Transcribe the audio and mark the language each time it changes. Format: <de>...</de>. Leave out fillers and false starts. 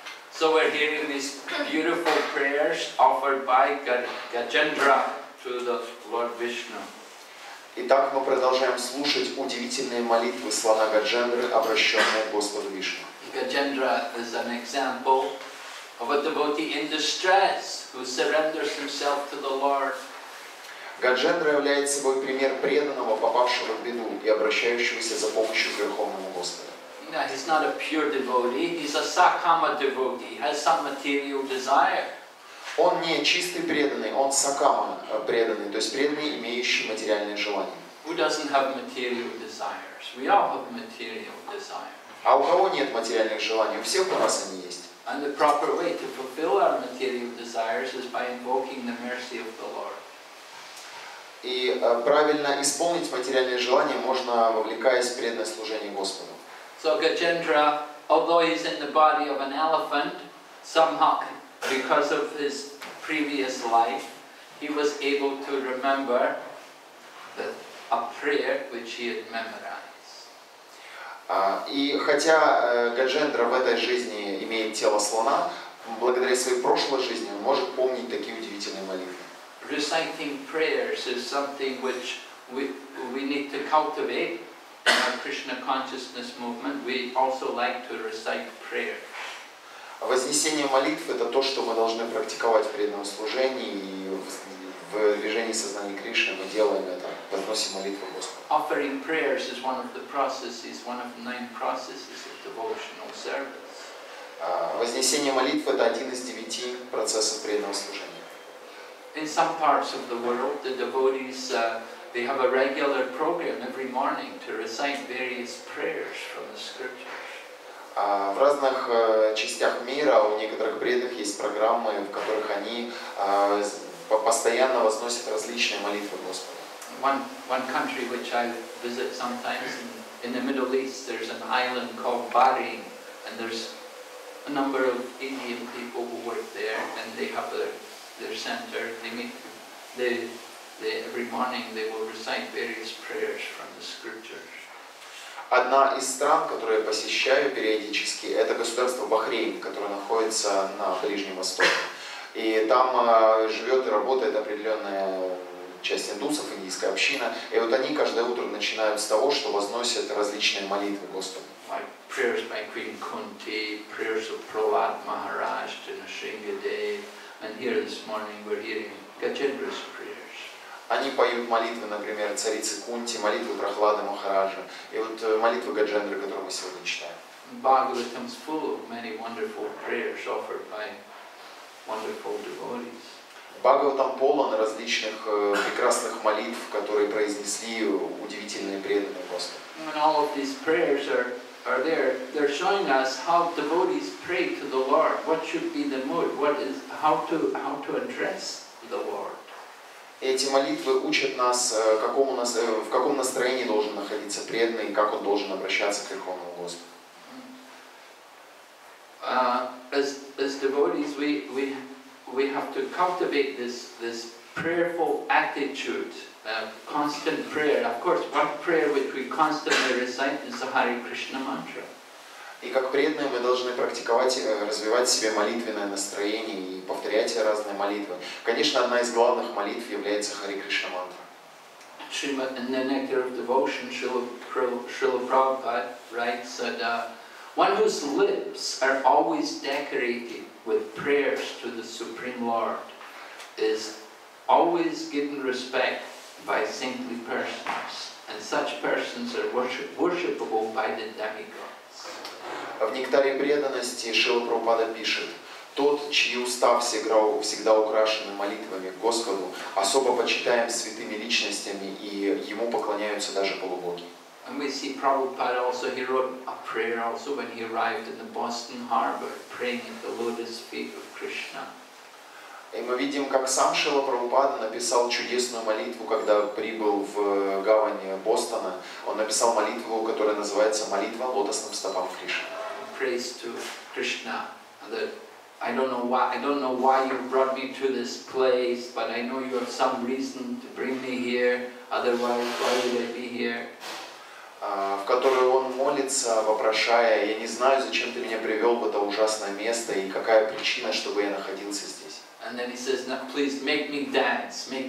<en>So we're hearing these beautiful prayers offered by Gajendra to the Lord Vishnu.</en> <ru>Итак, мы продолжаем слушать удивительные молитвы слона Гаджендры, обращенные к Господу Вишну.</ru> <en>Gajendra is an example of a devotee in distress who surrenders himself to the Lord.</en> <ru>Гаджендра является собой пример преданного, попавшего в беду и обращающегося за помощью к Верховному Господу.</ru> <en>No, he's not a pure devotee. He's a sakama devotee. He has some material desire.</en> <ru>Он не чистый преданный. Он сакама преданный, то есть преданный, имеющий материальные желания.</ru> <en>Who doesn't have material desires? We all have material desires.</en> <ru>А у кого нет материальных желаний? У всех у нас они есть.</ru> <en>And the proper way to fulfill our material desires is by invoking the mercy of the Lord.</en> <ru>И правильно исполнить материальные желания можно, вовлекаясь в преданное служение Господу.</ru> <en>So Gajendra, although he's in the body of an elephant, somehow, because of his previous life, he was able to remember a prayer which he had memorized.</en> <ru>И хотя Гаджендра в этой жизни имеет тело слона, благодаря своей прошлой жизни он может помнить такие удивительные молитвы.</ru> <en>Reciting prayers is something which we need to cultivate in our Krishna consciousness movement. We also like to recite prayers.</en> <ru>Вознесение молитв — это то, что мы должны практиковать в преданном служении и в движении сознания Кришны. Мы делаем это, возносим молитву Господу.</ru> <en>Offering prayers is one of the processes, one of the 9 processes of devotional service.</en> <ru>Вознесение молитв — это один из 9 процессов преданного служения.</ru> <en>In some parts of the world, the devotees they have a regular program every morning to recite various prayers from the scriptures.</en> <ru>В разных частях мира у некоторых преданных есть программы, в которых они постоянно возносят различные молитвы Господу.</ru> <en>One country which I visit sometimes in the Middle East, there's an island called Bahrain, and there's a number of Indian people who work there, and they have their center. They meet they every morning. They will recite various prayers from the scriptures.</en> <ru>Одна из стран, которую я посещаю периодически, это государство Бахрейн, которое находится на Ближнем Востоке, и там живет и работает определенная часть индусов, индийская община, и вот они каждое утро начинают с того, что возносят различные молитвы Господу.</ru> <en>Like prayers by Queen Kunti, prayers of Prahlad Maharaj to Nrisimhadev, and here this morning we're hearing Gajendra's prayers.</en> <ru>Они поют молитвы, например, царицы Кунти, молитвы Прахлады Махараджа, и вот молитвы Гаджендры, которые мы сегодня читаем.</ru> <en>Bhagavatam is full of many wonderful prayers offered by wonderful devotees.</en> <ru>Бхагаватам полон различных прекрасных молитв, которые произнесли удивительные преданные Господа.</ru> <en>And all of these prayers are there. They're showing us how devotees pray to the Lord. What should be the mood? How to address the Lord?</en> <ru>Эти молитвы учат нас, в каком настроении должен находиться преданный, как он должен обращаться к Верховному Господу.</ru> <en>As devotees, we have to cultivate this prayerful attitude, constant prayer. Of course, one prayer which we constantly recite is the Hare Krishna mantra.</en> <ru>И как преданные мы должны практиковать, развивать в себе молитвенное настроение и повторять разные молитвы. Конечно, одна из главных молитв является Хари Кришна мантра.</ru> <en>In the Nectar of Devotion, Srila Prabhupada writes that one whose lips are always decorated with prayers to the Supreme Lord is always given respect by saintly persons, and such persons are worshipable by the demigods.</en> <ru>В «Нектаре преданности» Шрила Прабхупада пишет: «Тот, чьи уста всегда украшены молитвами к Господу, особо почитаем святыми личностями, и ему поклоняются даже полубоги».</ru> <en>And we see Prabhupada also, he wrote a prayer also when he arrived in the Boston Harbor, praying at the lotus feet of Krishna.</en> <ru>И мы видим, как сам Шрила Прабхупада написал чудесную молитву, когда прибыл в гавань Бостона. Он написал молитву, которая называется «Молитва лотосным стопам Кришны».</ru> <en>Praise to Krishna that I don't know why you brought me to this place, but I know you have some reason to bring me here, otherwise why would I be here?</en> <ru>В которую он молится, вопрошая: я не знаю, зачем ты меня привел в это ужасное место и какая причина, чтобы я находился здесь.</ru> <en>And then he says, now please make me dance.</en>